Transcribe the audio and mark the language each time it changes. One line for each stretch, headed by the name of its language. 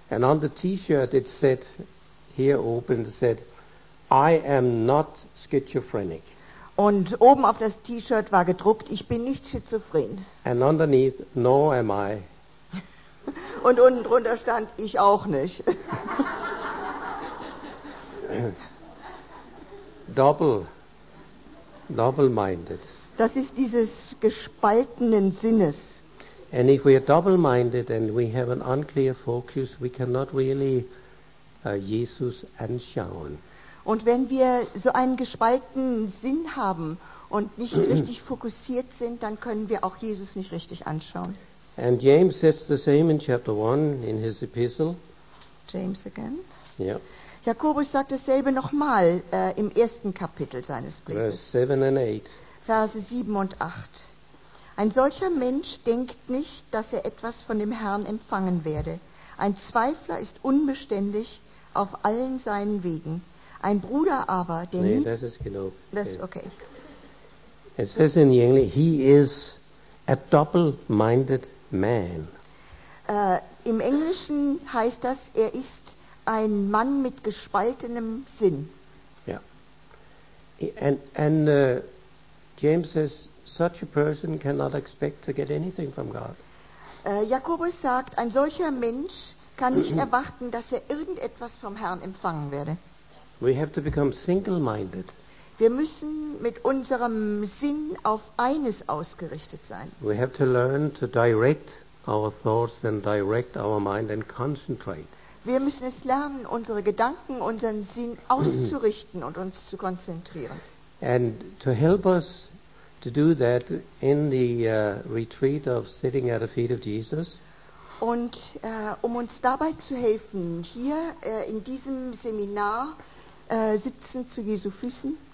English: And on the T-shirt it said, here open, it said, I am not schizophrenic.
German: Und oben auf das T-Shirt war gedruckt, ich bin nicht schizophren.
English: And underneath, no am I.
German: Und unten drunter stand, ich auch nicht.
English: Double-minded.
German: Das ist dieses gespaltenen Sinnes.
English: And if we are double-minded and we have an unclear focus, we cannot really Jesus
German: anschauen. Und wenn wir so einen gespaltenen Sinn haben und nicht richtig fokussiert sind, dann können wir auch Jesus nicht richtig anschauen.
English: And James says the same in chapter 1 in his epistle. James again. Yeah.
German: Jakobus sagt dasselbe nochmal im ersten Kapitel seines Briefes.
English: Verse 7 and 8.
German: Verse 7 und 8. Ein solcher Mensch denkt nicht, dass er etwas von dem Herrn empfangen werde. Ein Zweifler ist unbeständig auf allen seinen Wegen. Ein Bruder aber, der nicht... Nee, das ist genug. Das okay.
English: It says in the English, he is... A double-minded man.
German: Im Englischen heißt das, er ist ein Mann mit gespaltenem Sinn.
English: Yeah. And James says, such a person cannot expect to get anything from God.
German: Jakobus sagt, ein solcher Mensch kann nicht erwarten, dass er irgendetwas vom Herrn empfangen werde.
English: We have to become single-minded.
German: Wir müssen mit unserem Sinn auf eines ausgerichtet sein.
English: We have to learn to direct our thoughts and direct our mind and concentrate.
German: Wir müssen es lernen, unsere Gedanken, unseren Sinn auszurichten und uns zu konzentrieren.
English: And to help us to do that in the retreat of sitting at the feet of Jesus.
German: Und um uns dabei zu helfen, hier in diesem Seminar sitzen zu Jesu Füßen.